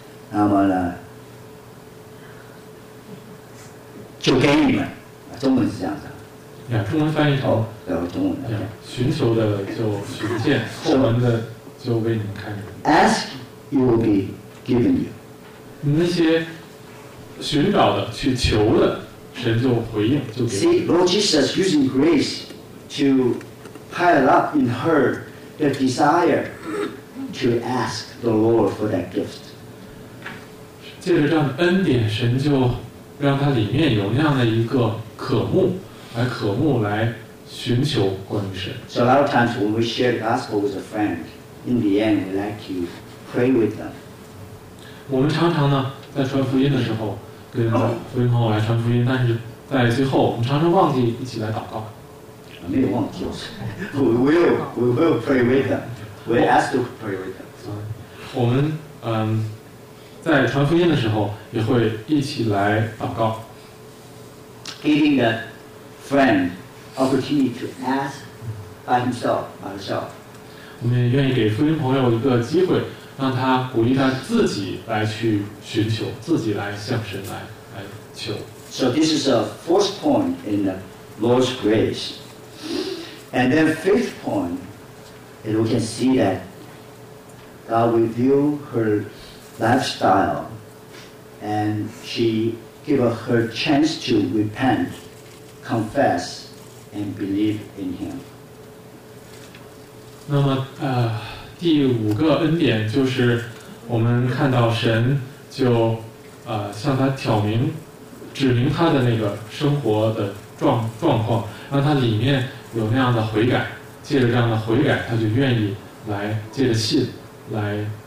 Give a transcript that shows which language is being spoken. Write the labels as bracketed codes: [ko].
[zh] 那么呢，就给你们，中文是这样的。 Yeah, 中文翻译成，中文的。寻求的就寻见，后门的就为你们开门。 [en] Ask, it will be given you. [zh] 那些寻找的、去求的，神就回应，就给。 [en] See, Lord Jesus using grace to pile up in her the desire to ask the Lord for that gift. [zh] 借着这样的恩典，神就让他里面有那样的一个渴慕，来渴慕，来寻求关于神。 [en] So a lot of times when we share the gospel with a friend, in the end we like to pray with them. [zh] 我们常常呢，在传福音的时候，跟福音朋友来传福音，但是在最后，我们常常忘记一起来祷告。没有忘记， [en] we will pray with them. We ask to pray with them. [zh] 我们在传福音的时候也会一起来祷告。 [en] Giving a friend opportunity to ask by himself, by herself. [zh] 我们也愿意给福音朋友一个机会，让他鼓励他自己来去寻求，自己来向神来求。 [en] So this is a fourth point in the Lord's grace. And then fifth point, and we can see that God will view herlifestyle, and she gave her chance to repent, confess, and believe in him. [zh] 那么，第五个恩典就是我们看到神就向他挑明、指明他的那个生活的状况，让他里面有那样的悔改。借着这样的悔改，他就愿意来借着信来